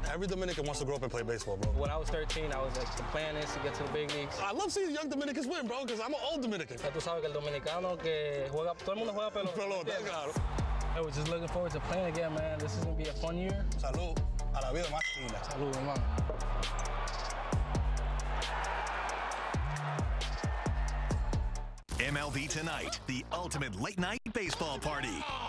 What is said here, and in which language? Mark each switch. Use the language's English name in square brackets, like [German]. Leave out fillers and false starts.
[English] Every Dominican wants to grow up and play baseball, bro. When I was 13, I was like, the plan is to get to the big leagues. I love seeing young Dominicans win, bro, because I'm an old Dominican. [Spanish] Tú sabes que el dominicano que juega, todo el mundo juega pelota. Pelota, claro. [English] Hey, we're just looking forward to playing again, man. This is going to be a fun year. [Spanish] Salud a la vida más linda. Salud, hermano. [English] MLB Tonight, the ultimate late night baseball party.